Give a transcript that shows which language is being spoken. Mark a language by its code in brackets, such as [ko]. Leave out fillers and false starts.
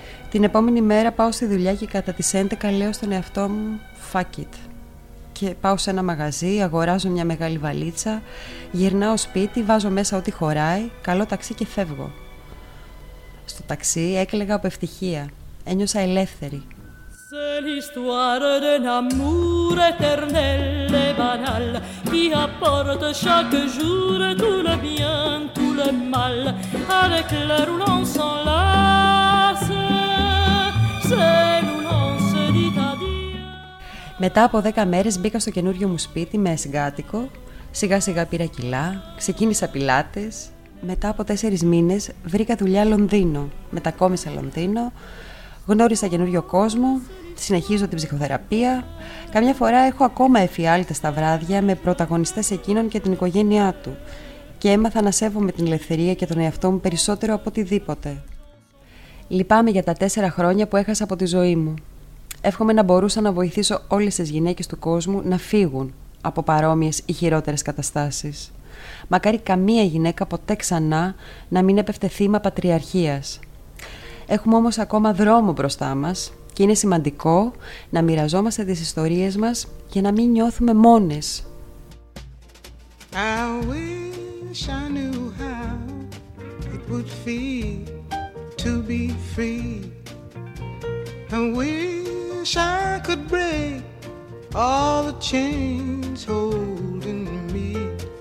[el] Την επόμενη μέρα πάω στη δουλειά και κατά τις 11 λέω στον εαυτό μου [en] «fuck it». [el] Και πάω σε ένα μαγαζί, αγοράζω μια μεγάλη βαλίτσα, γυρνάω σπίτι, βάζω μέσα ό,τι χωράει, καλό ταξί και φεύγω. Στο ταξί έκλαιγα από ευτυχία. Ένιωσα ελεύθερη. [fr] C'est l'histoire d'un amour éternel et banal qui apporte chaque jour tout le bien, tout le mal. Avec l'air où l'on s'enlace, c'est où l'on se dit adieu. [el] Μετά από 10 μέρες μπήκα στο καινούριο μου σπίτι με συγκάτοικο. Σιγά σιγά πήρα κιλά, ξεκίνησα πιλάτες. Μετά από 4 μήνες βρήκα δουλειά Λονδίνο. Μετακόμισα Λονδίνο. Γνώρισα καινούριο κόσμο, συνεχίζω την ψυχοθεραπεία. Καμιά φορά έχω ακόμα εφιάλτες στα βράδια με πρωταγωνιστές εκείνων και την οικογένειά του και έμαθα να σέβομαι την ελευθερία και τον εαυτό μου περισσότερο από οτιδήποτε. Λυπάμαι για τα 4 χρόνια που έχασα από τη ζωή μου. Εύχομαι να μπορούσα να βοηθήσω όλες τις γυναίκες του κόσμου να φύγουν από παρόμοιες ή χειρότερες καταστάσεις. Μακάρι καμία γυναίκα ποτέ ξανά να μην έπεφτε θύμα πατριαρχίας. Έχουμε όμως ακόμα δρόμο μπροστά μας και είναι σημαντικό να μοιραζόμαστε τις ιστορίες μας για να μην νιώθουμε μόνες. [en] I wish I knew how it would feel to be free. I wish I could break all the chains holding me.